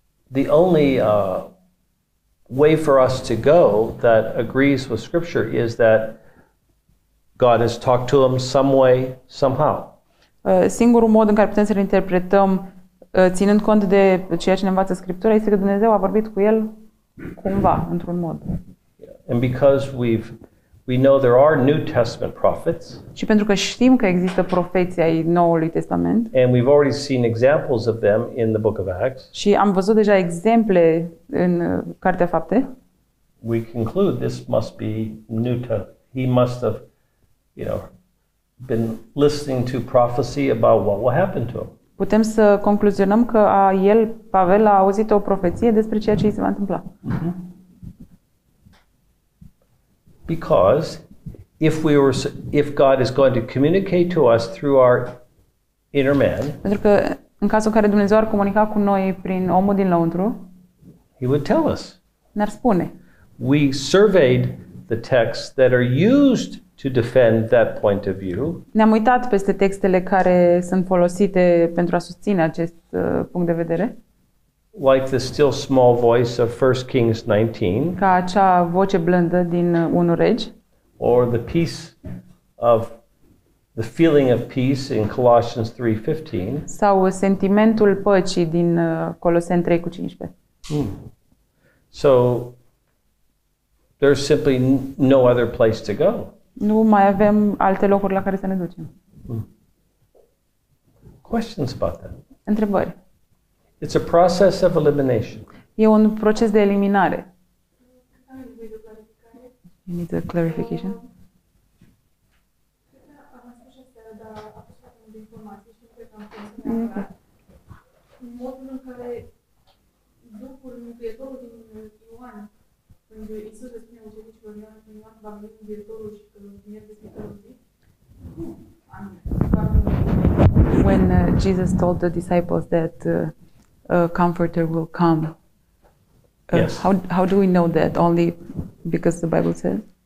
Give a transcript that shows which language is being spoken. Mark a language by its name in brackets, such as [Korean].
[English] The only way for us to go that agrees with scripture is that God has talked to him some way, somehow. [Romanian] Singurul mod în care putem să-l interpretăm ținând cont de ceea ce ne învață scriptura este că Dumnezeu a vorbit cu el cumva, într-un mod. [English] And because we know there are New Testament prophets. [Romanian] Și pentru că știm că există profeții ai Noului Testament. [English] And we've already seen examples of them in the book of Acts. [Romanian] Și am văzut deja exemple în Cartea Fapte. [English] We conclude this must be new to he must have, you know, been listening to prophecy about what will happen to him. [Romanian] Putem să concluzionăm că el Pavel a auzit o profeție despre ceea ce îi se va întâmpla. [English] Because if God is going to communicate to us through our inner man, [Romanian] pentru că în cazul în care Dumnezeu ar comunica cu noi prin omul dinăuntru, [English] he would tell us. [Romanian] Ne-ar spune. [English] We surveyed the texts that are used to defend that point of view. [Romanian] Ne-am uitat peste textele care sunt folosite pentru a susține acest punct de vedere. [English] Like the still small voice of 1 Kings 19. [Romanian] Ca acea voce blândă din 1 Regi. [English] or the peace of the feeling of peace in Colossians 3:15. [Romanian] Sau sentimentul păcii din Coloseni 3:15. [English] So there's simply no other place to go. [Romanian] Nu mai avem alte locuri la care să ne ducem. [English] Questions about that? [Romanian] Întrebări. [English] It's a process of elimination. [Romanian] E un proces de eliminare. [English] You need a clarification. [Romanian] Modul în care Duhul Mântuitorul din Ioan, când Iisus spune ucenicilor Ioan, când Ioan va veni Mântuitorul și că merge spre Tatăl. [English] When Jesus told the disciples that a comforter will come, how do we know that? Only because the Bible says?